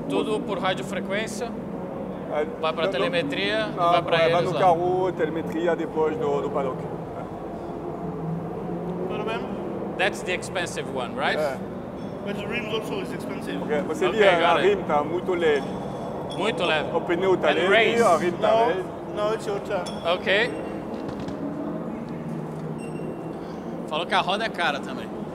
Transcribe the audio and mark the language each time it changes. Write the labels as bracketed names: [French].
[Portuguese] Tudo por radiofrequência? Vai para telemetria? Não, vai para eles lá? Vai no carro, telemetria depois do paddock. [English] That's the expensive one, right? Yeah. But the rim also is expensive. [Portuguese] Okay, você viu a rim tá muito leve. Muito leve. O pneu tá leve, a rim tá leve. [English] No, it's your turn. Okay. [Portuguese] Falou que a roda é cara também.